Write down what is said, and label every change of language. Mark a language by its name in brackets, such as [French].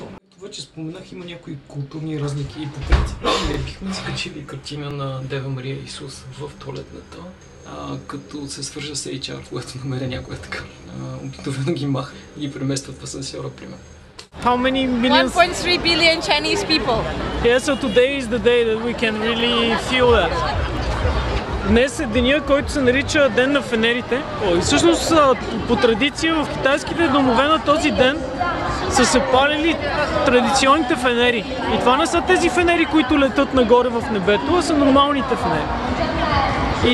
[Bulgarian] Това, че споменах, има някои културни разлики и по принцип. Бихме скачили картина на Дева Мария Исус в туалетната, като се свържа с HR, когато намеря някоя така. Обикновено ги маха и ги преместват в асансьора, примерно. [English] How many millions? 1.3 billion Chinese people. Yeah, so today is the day that we can really feel that. [Bulgarian] Днес е деня, който се нарича Ден на фенерите. И всъщност по традиция в китайските домове на този ден са се палили традиционните фенери. И това не са тези фенери, които летат нагоре в небето, а са нормалните фенери.